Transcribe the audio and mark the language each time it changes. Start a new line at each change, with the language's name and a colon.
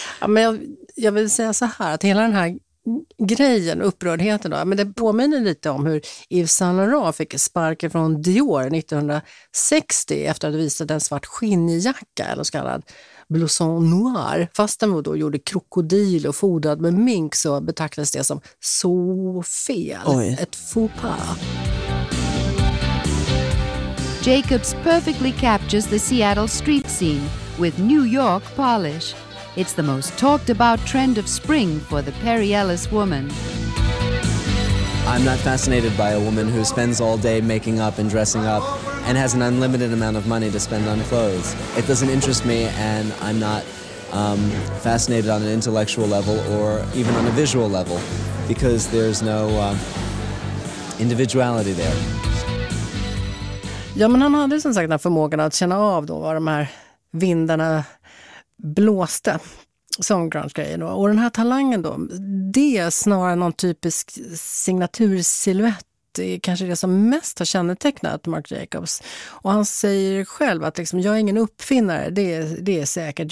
Swedish: Ja, men jag vill säga så här, att hela den här grejen, upprördheten då, men det påminner lite om hur Yves Saint Laurent fick sparken från Dior 1960 efter att ha visat en svart skinnjacka, eller så kallad blouson noir. Fast den då gjorde krokodil och fodrad med mink, så betraktades det som så fel. Oj. Ett faux pas.
English: Jacobs perfectly captures the Seattle street scene with New York polish. It's the most talked about trend of spring for the Perry Ellis woman. I'm not fascinated by a woman who spends all day making up and dressing up and has an unlimited amount of money to spend on clothes. It doesn't interest me, and I'm not fascinated on an intellectual level or even on a visual level, because there's no individuality there.
Swedish: Ja, men han hade som sagt den förmågan att känna av då vad de här vindarna blåste som grunge-grejen. Och den här talangen då, det är snarare någon typisk signatursiluett det är kanske det som mest har kännetecknat Marc Jacobs. Och han säger själv att liksom, jag är ingen uppfinnare, det är säkert.